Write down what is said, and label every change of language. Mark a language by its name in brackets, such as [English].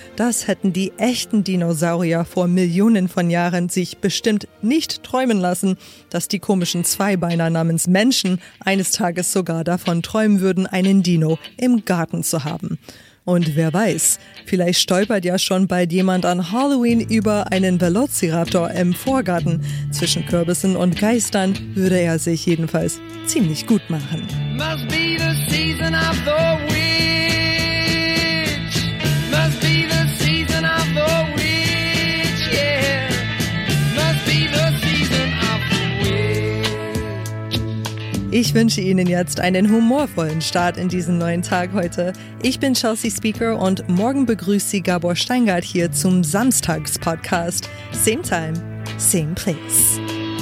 [German] Das hätten die echten Dinosaurier vor Millionen von Jahren sich bestimmt nicht träumen lassen, dass die komischen Zweibeiner namens Menschen eines Tages sogar davon träumen würden, einen Dino im Garten zu haben. Und wer weiß, vielleicht stolpert ja schon bald jemand an Halloween über einen Velociraptor im Vorgarten. Zwischen Kürbissen und Geistern würde er sich jedenfalls ziemlich gut machen. [English] Must be the season of the witch. Must be the season of the witch, yeah. Must be the season of the witch. [German] Ich wünsche Ihnen jetzt einen humorvollen Start in diesen neuen Tag heute. Ich bin Chelsea Speaker und morgen begrüßt Sie Gabor Steingart hier zum Samstags-Podcast. [English] Same time, same place.